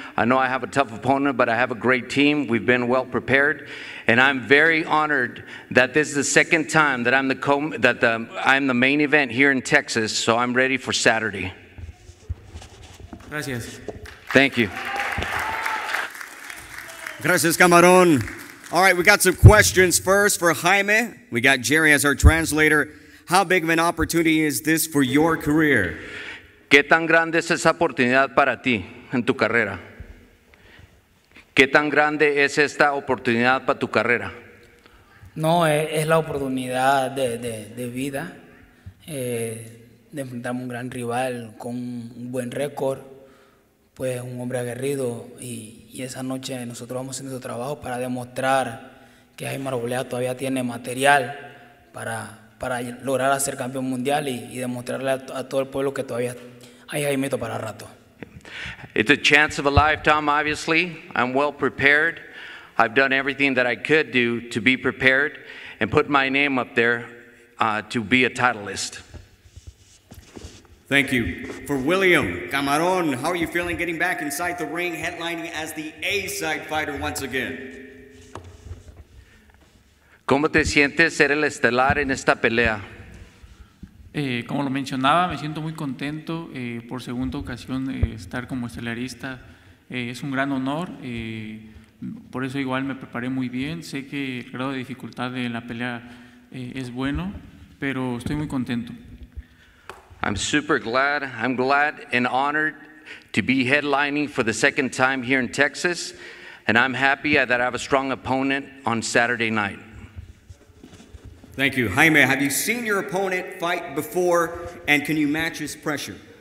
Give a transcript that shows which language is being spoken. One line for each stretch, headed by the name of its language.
English: I know I have a tough opponent, but I have a great team. We've been well prepared, and I'm very honored that this is the second time that I'm the main event here in Texas, so I'm ready for Saturday.
Spanish: Gracias.
English: Thank you. Gracias, Camarón. All right, we got some questions first for Jaime. We got Jerry as our translator. How big of an opportunity is this for your career?
Spanish: ¿Qué tan grande es esa oportunidad para ti en tu carrera? ¿Qué tan grande es esta oportunidad para tu carrera? No, es la oportunidad de vida, de enfrentarme a un gran rival con un buen récord, pues un hombre aguerrido, y esa noche nosotros vamos a hacer nuestro trabajo para demostrar que Jaime Arboleda todavía tiene material para lograr ser campeón mundial y demostrarle a todo el pueblo que todavía hay Jaime para rato.
English: It's a chance of a lifetime, obviously. I'm well prepared. I've done everything that I could do to be prepared and put my name up there to be a titleist. Thank you. For William Camarón, how are you feeling getting back inside the ring, headlining as the A-side fighter once again?
Spanish: ¿Cómo te sientes ser el estelar en esta pelea? Como lo mencionaba, me siento muy contento por segunda ocasión estar como estelarista. Es un gran honor. Por eso igual me preparé muy bien. Sé que el grado de dificultad de la pelea es bueno, pero estoy muy contento.
English: I'm super glad. I'm glad and honored to be headlining for the second time here in Texas. And I'm happy that I have a strong opponent on Saturday night. Thank you. Jaime, have you seen your opponent fight before, and can you match his pressure?